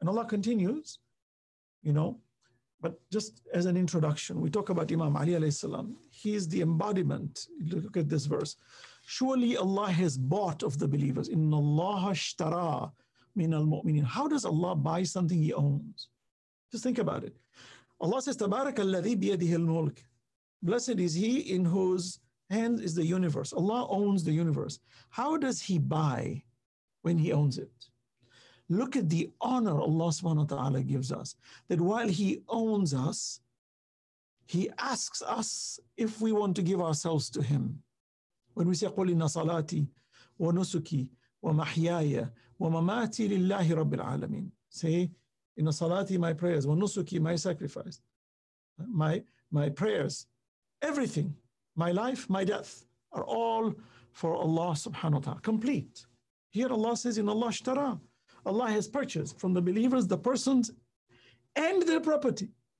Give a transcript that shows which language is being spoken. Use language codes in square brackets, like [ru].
[en] And Allah continues, you know, but just as an introduction, we talk about Imam Ali alayhi salam. He is the embodiment. Look at this verse. Surely Allah has bought of the believers. [ar] إِنَّ اللَّهَ اشْتَرَى مِنَ الْمُؤْمِنِينَ. [en] How does Allah buy something He owns? Just think about it. Allah says, [ar] تَبَارَكَ الَّذِي بِيَدِهِ الْمُلْكِ. [en] Blessed is He in whose hand is the universe. Allah owns the universe. How does He buy when He owns it? Look at the honor Allah subhanahu wa ta'ala gives us. That while He owns us, He asks us if we want to give ourselves to Him. When we say, [ar] قُلْ إِنَّ صَلَاتِي وَنُسُكِي وَمَحْيَايَ وَمَمَاتِي لِلَّهِ رَبِّ الْعَالَمِينَ. [en] Say, [ar] إِنَّ صَلَاتِي [en] my prayers, [ar] وَنُسُكِي [en] my sacrifice, my prayers, everything. My life, my death are all for Allah subhanahu wa ta'ala. Complete. Here Allah says, [ar] in Allah ashtara, [en] Allah has purchased from the believers the persons and their property.